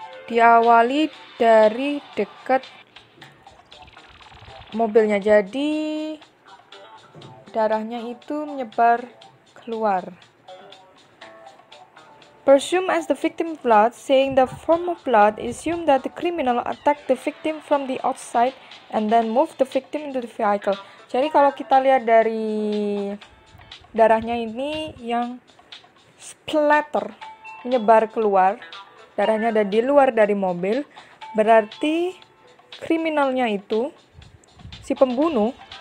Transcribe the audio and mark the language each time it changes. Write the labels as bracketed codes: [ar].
[id] Diawali dari dekat mobilnya. Jadi darahnya itu menyebar keluar. [en] Presume as the victim blood, seeing the form of blood, assume that the criminal attacked the victim from the outside and then move the victim into the vehicle. [id] Jadi kalau kita lihat dari darahnya ini yang splatter, menyebar keluar, darahnya ada di luar dari mobil, berarti kriminalnya itu, si pembunuh,